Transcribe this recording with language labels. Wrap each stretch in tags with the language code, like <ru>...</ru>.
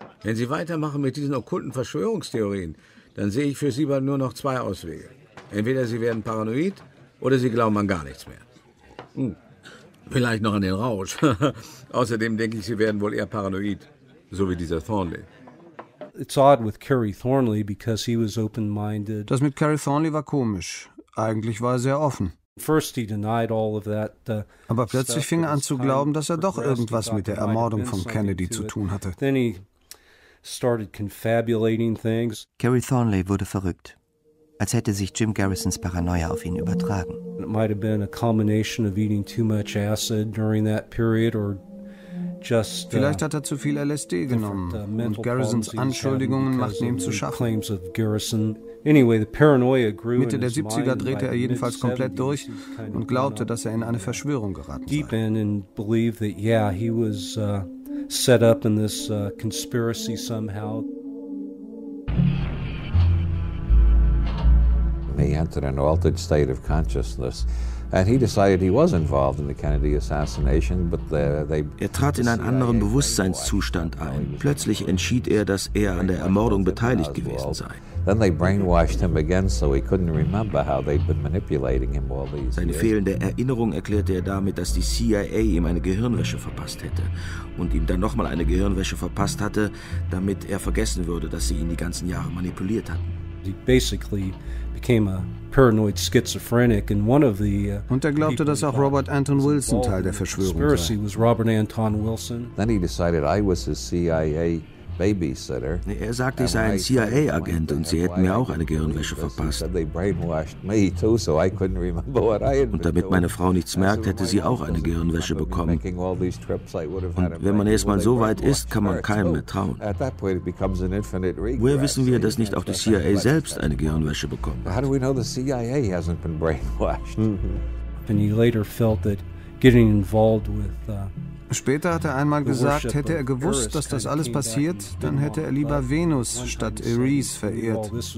<de>Wenn Sie weitermachen mit diesen okkulten Verschwörungstheorien, dann sehe ich für Sie bald nur noch zwei Auswege. Entweder Sie werden paranoid oder Sie glauben an gar nichts mehr. Vielleicht noch an den Rausch. Außerdem denke ich, Sie werden wohl eher paranoid, so wie dieser Thornley.</de> <en>It's odd with Cary Thornley because he was open-minded.</en> <de>Das mit Cary Thornley war komisch. Eigentlich war er sehr offen.</de> <en>First he denied all of that.</en> <de>Aber plötzlich fing er an zu glauben, dass er doch irgendwas mit der Ermordung von Kennedy zu tun hatte.</de> <en>Then he started confabulating things.</en> <de>Cary Thornley wurde verrückt. Als hätte sich Jim Garrisons Paranoia auf ihn übertragen.</de> <en>It might have been a combination of eating too much acid during that period or just</en> <de>vielleicht hat er zu viel LSD genommen und Garrisons Anschuldigungen machten ihm zu schaffen.</de> <en>Anyway, the paranoia grew.</en> <de>Mitte der 70er drehte er jedenfalls komplett durch und glaubte, dass er in eine Verschwörung geraten sei.</de> <en>Deep in and believed that yeah, he was set up in this conspiracy somehow. He entered an altered state of consciousness, and he decided he was involved in the Kennedy assassination. But they</en> <de>er trat in einen anderen Bewusstseinszustand ein. Plötzlich entschied er, dass er an der Ermordung beteiligt gewesen sei.</de> <en>Then they brainwashed him again, so he couldn't remember how they'd been manipulating him all these years.</en> <de>Seine fehlende Erinnerung erklärte er damit, dass die CIA ihm eine Gehirnwäsche verpasst hätte und ihm dann nochmal eine Gehirnwäsche verpasst hatte, damit er vergessen würde, dass sie ihn die ganzen Jahre manipuliert hatten.</de> <en>Basically became a paranoid schizophrenic and one of the</en> <de>und er glaubte, dass auch Robert Anton Wilson Teil der Verschwörung sei. Was Robert Anton Wilson.</de> <en>Then he decided I was his CIA babysitter.</en> <de>Er sagte, ich sei ein CIA-Agent und sie hätten mir auch eine Gehirnwäsche verpasst.</de> <en>They brainwashed me too, so I couldn't remember what I had.</en> <de>Und damit meine Frau nichts merkt, hätte sie auch eine Gehirnwäsche bekommen. Und wenn man erstmal so weit ist, kann man keinem mehr trauen. Woher wissen wir, dass nicht auch die CIA selbst eine Gehirnwäsche bekommen hat?</de> <en>How do we know the CIA hasn't been brainwashed? And he later felt that getting involved with</en> <de>später hat er einmal gesagt, hätte er gewusst, dass das alles passiert, dann hätte er lieber Venus statt Ares verehrt.</de>